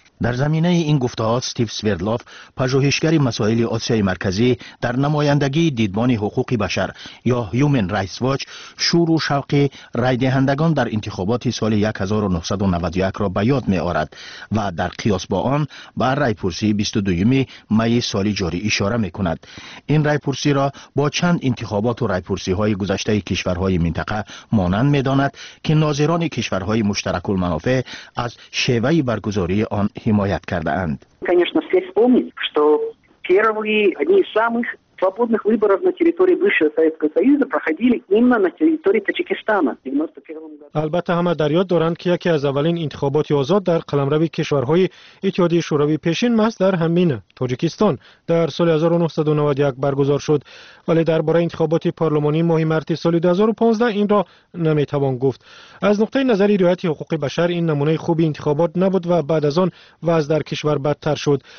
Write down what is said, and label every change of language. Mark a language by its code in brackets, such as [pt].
[fa] در زمینه این گفته‌ها استیو سویردلوف، پژوهشگر مسائل آسیای مرکزی در نمایندگی دیدبان حقوق بشر یا Human Rights Watch، شور و شوق رای دهندگان در انتخابات سال 1991 را به یاد می‌آورد و در قیاس با آن به رایپرسی 22 می سال جاری اشاره می‌کند. این رایپرسی را با چند انتخابات و رایپرسی‌های گذشته کشورهای منطقه مانند می‌داند که ناظران کشورهای مشترک المنافع از شیوه برگزاری آن حمایت کرده اند. [ru] Конечно, все вспомнить, что первые одни из самых свободных выборов на территории бывшего Советского Союза проходили именно на территории Таджикистана в 91 году. [tg] Албатта ҳама дар ёд доранд ки яке аз аввалин интихоботи озод дар қаламрави кишварҳои Иттиҳодияи Шӯравии пешин маҳз дар ҳамин Тоҷикистон дар соли 1991 баргузор шуд, вале дар бораи интихоботи парлумонӣ моҳи марти соли 2015 инро наметавон гуфт. Аз нуқтаи назари риояти ҳуқуқи башар ин намунаи хуби интихобот набуд ва баъд аз он вазъ дар кишвар бадтар шуд.